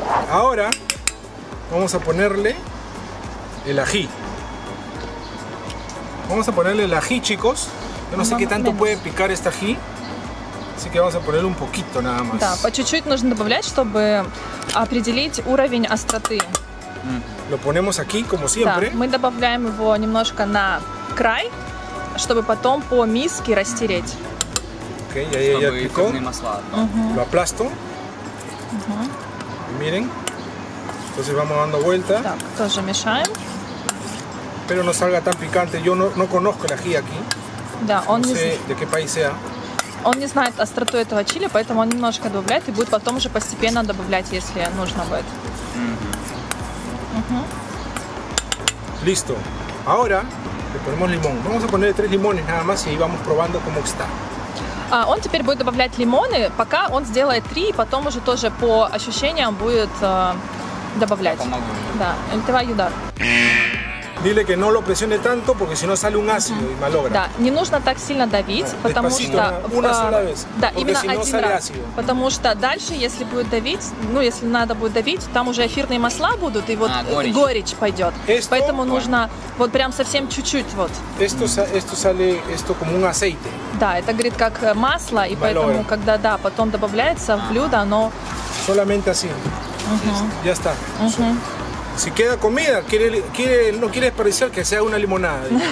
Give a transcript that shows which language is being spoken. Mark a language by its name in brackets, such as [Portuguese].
[Spanish] Ahora vamos a ponerle el ají. Vamos a ponerle el ají, chicos. Yo no sé qué tanto puede picar este ají. Así que vamos a ponerle un poquito nada más. [Russian] Да, по чуть-чуть нужно добавлять, чтобы определить уровень остроты. [Spanish] Lo ponemos aquí como siempre. [Russian] Да, мы добавляем его немножко на край, чтобы потом по миске растереть. [Spanish] Okay, ya picó. Lo aplasto. Miren. Entonces vamos dando vuelta. [Russian] Так, тоже мешаем. [Spanish] Espero no salga tan picante. Yo no conozco el ají aquí. [Russian] Да, [Spanish] no sé de qué país sea. [Russian] Он не знает остроту этого чили, поэтому он немножко добавляет и будет потом уже постепенно добавлять, если нужно будет. [Spanish] Listo. Ahora le ponemos limón. Vamos a ponerle 3 limones nada más y vamos probando cómo está. [Russian] Он теперь будет добавлять лимоны, пока он сделает 3 и потом уже тоже по ощущениям будет добавлять. [Spanish] Да, él te va a ayudar. Dile que no lo presione tanto porque si no sale un ácido y malogra. [Russian] Да, не нужно так сильно давить, потому что [Spanish] una sola vez. [Russian] Да, именно один раз. Потому что дальше, если будет давить, ну если надо будет давить, там уже эфирные масла будут и вот горечь пойдет. Поэтому нужно вот прям совсем чуть-чуть вот. [Spanish] Esto como un aceite. [Russian] Да, это говорит как масло и поэтому когда да потом добавляется в блюдо, оно. [Spanish] Solamente así. Ya está. Si queda comida, no quiere desperdiciar, que sea una лимонада.